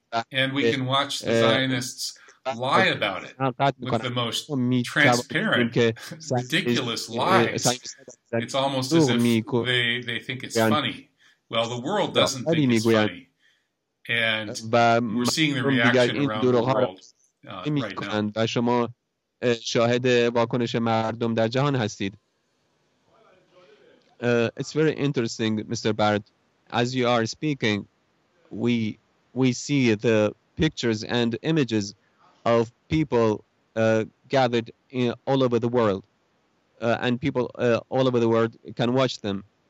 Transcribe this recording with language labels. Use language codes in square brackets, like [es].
[en] And we can watch the Zionists lie about it with the most transparent, ridiculous lies. It's almost as if they think it's funny. Well, the world doesn't think it's funny. And we're seeing the reaction around the world right now. [fa] شاهد واکنش مردم در جهان هستید. [en] It's very interesting, Mr. Barrett. As you are speaking, we see the pictures and images of people gathered all over the world, and people all over the world can watch them.